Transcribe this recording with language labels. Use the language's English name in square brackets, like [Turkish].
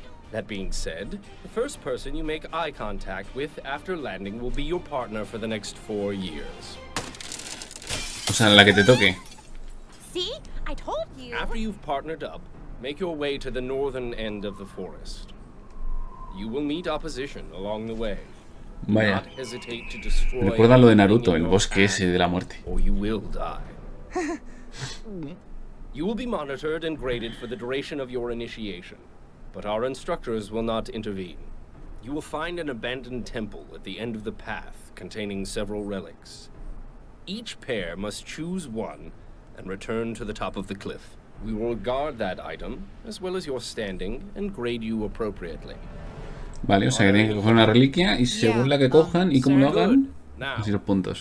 [English] That being said, the first person you make eye contact with after landing will be your partner for the next 4 years. [Spanish] O sea, la que te toque. [English] See? I told you. After you've partnered up, make your way to the northern end of the forest. You will meet opposition along the way. [Spanish] Vaya. [English] Not hesitate to destroy. [Spanish] Recuerda lo de Naruto, el bosque ese de la muerte. [English] Or you will die. You will be monitored and graded for the duration of your initiation. But our instructors will not intervene. You will find an abandoned temple at the end of the path containing several relics. Each pair must choose one and return to the top of the cliff. We will guard that item as well as your standing and grade you appropriately. [Spanish] Vale, o sea que tienen que coger una reliquia y según la que cojan y cómo lo hagan, así los puntos.